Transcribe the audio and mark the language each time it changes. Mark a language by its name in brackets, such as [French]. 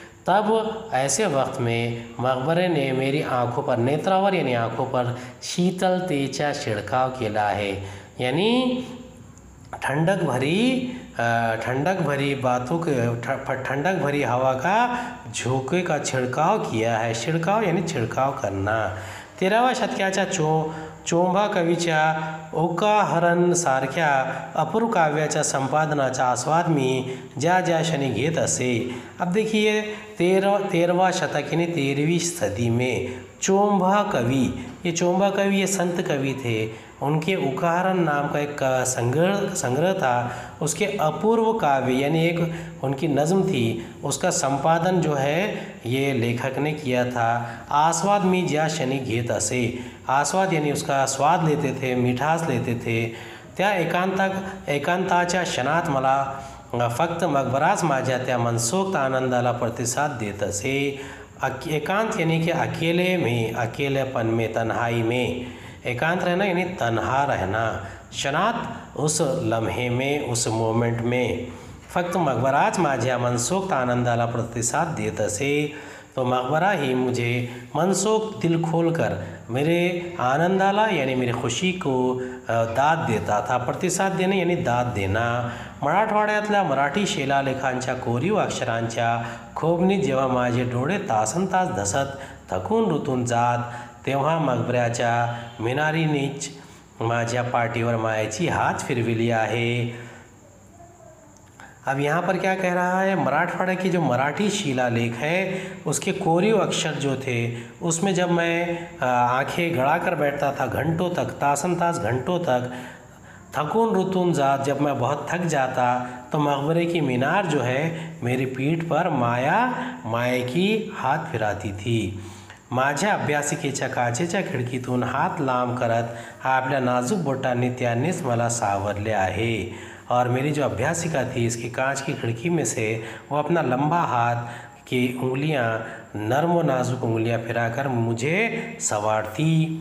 [Hindi] तब ऐसे वक्त में मकबरे ने मेरी आँखों पर नेत्रावर यानी आँखों पर शीतल तेचा छिड़काव किया है यानी ठंडक भरी हवा का झोंके का छिड़काव किया है. छिड़काव यानी छिड़काव करना. [Marathi] 13वा शतकाचा चोंभा कविचा ओका हरण सारख्या अपूर्व काव्याचा संपादनाचा आस्वाद मी ज्या ज्या क्षणी घेत असे. [Hindi] अब देखिए 13वा शतक यानी 13वीं सदी में चोंभा कवि ये संत कवि थे. उनके उकाहरण नाम का एक संग्रह था. उसके अपूर्व काव्य यानी एक उनकी नज्म थी उसका संपादन जो है ये लेखक ने किया था. [Marathi] आस्वाद मी ज्या शनि घेत असे [Hindi] आस्वाद यानी उसका स्वाद लेते थे [Marathi] मिठास लेते थे त्या एकांताच्या क्षणात मला फक्त मकबराच माझ्या त्या मनसोक्त आनंदाला प्रतिसाद देत असे. [Hindi] एकांत यानी कि अकेले में अकेलेपन में तन्हाई में एकांत रहना यानी तन्हा रहना. [Marathi] शनात [Hindi] उस लम्हे में उस मोमेंट में [Marathi] फक्त मकबराच माझ्या मनसोक्त आनंदाला प्रतिसाद देत असे. [Hindi] तो मकबरा ही मुझे मनसोक्त दिल खोलकर मेरे आनंदाला यानी मेरी खुशी को दाद देता था. प्रतिसाद देने यानी दाद देना. [Marathi] मराठवाड्यातल्या मराठी शिलालेखांच्या कोरीव अक्षरांच्या खोबणीत जेव्हा माझे डोळे तासन तास धसत थकून रुतून जात तेव्हा मकबऱ्याच्या मिनारीनीच माझ्या पाठीवर मायेची हात फिरविली आहे. [Hindi] अब यहाँ पर क्या कह रहा है मराठवाड़ा की जो मराठी शिलालेख है उसके कोरीव अक्षर जो थे उसमें जब मैं आंखें गड़ा कर बैठता था घंटों तक तासन तास घंटों तक [Marathi] थकून रुतून जात [Hindi] जब मैं बहुत थक जाता तो मकबरे की मीनार जो है मेरी पीठ पर माया की हाथ फिराती थी. [Marathi] माझ्या अभ्यासिकेच्या काचेच्या खिडकीतून हात लांब करत आपल्या नाजूक बोटांनी त्यांनीच मला सावरले आहे. [Hindi] और मेरी जो अभ्यासिका थी इसकी कांच की खिड़की में से वो अपना लंबा हाथ की उंगलियां नर्म और नाजुक उंगलियां फिराकर मुझे सवारती.